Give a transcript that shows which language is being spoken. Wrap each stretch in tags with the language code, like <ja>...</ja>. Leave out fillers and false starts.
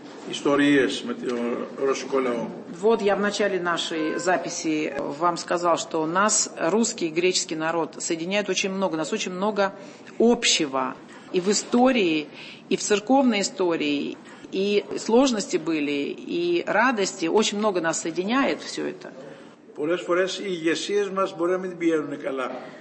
<el>Ιστορίες με το ρωσικό λαό.</el> <ru>Вот я в начале нашей записи вам сказал, что нас, русский и греческий народ, соединяет очень много, нас очень много общего и в истории, и в церковной истории, и сложности были, и радости, очень много нас соединяет все это.</ru> <el>Πολλές φορές οι ηγεσίες μας μπορεί να μην πηγαίνουν καλά.</el>